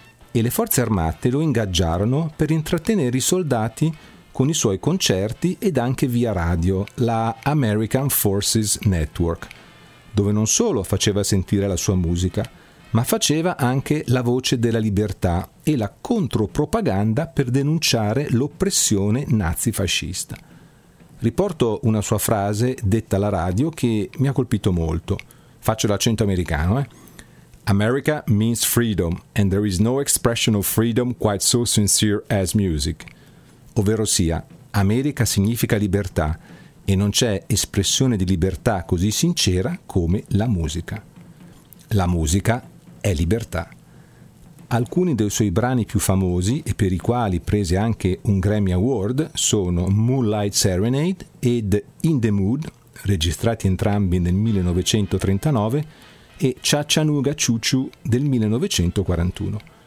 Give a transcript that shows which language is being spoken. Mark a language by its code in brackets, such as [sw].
[it] E le forze armate lo ingaggiarono per intrattenere i soldati con i suoi concerti ed anche via radio, la American Forces Network, dove non solo faceva sentire la sua musica, ma faceva anche la voce della libertà e la contropropaganda per denunciare l'oppressione nazifascista. Riporto una sua frase detta alla radio che mi ha colpito molto. Faccio l'accento americano, eh? [en] America means freedom and there is no expression of freedom quite so sincere as music. [it] Ovvero sia, America significa libertà e non c'è espressione di libertà così sincera come la musica. La musica è libertà. Alcuni dei suoi brani più famosi e per i quali prese anche un Grammy Award sono Moonlight Serenade ed In the Mood, registrati entrambi nel 1939, e Chattanooga Choo Choo del 1941.